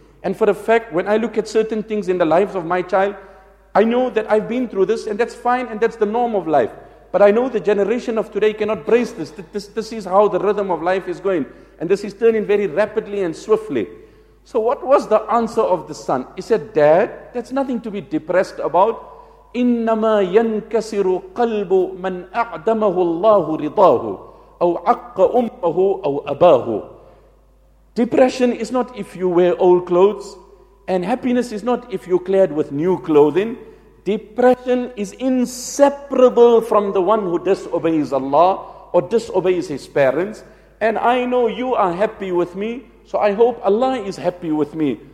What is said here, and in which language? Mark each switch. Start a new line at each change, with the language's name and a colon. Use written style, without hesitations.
English: And for a fact, when I look at certain things in the lives of my child, I know that I've been through this, and that's fine, and that's the norm of life. But I know the generation of today cannot brace this. This is how the rhythm of life is going. And this is turning very rapidly and swiftly. So what was the answer of the son? He said, "Dad, that's nothing to be depressed about.
Arabic: إِنَّمَا يَنْكَسِرُ قَلْبُ مَنْ أَعْدَمَهُ اللَّهُ رِضَاهُ أَوْ عَقَّ أُمَّهُ أَوْ أَبَاهُ."
English: Depression is not if you wear old clothes, and happiness is not if you're clad with new clothing. Depression is inseparable from the one who disobeys Allah or disobeys his parents. And I know you are happy with me, so I hope Allah is happy with me.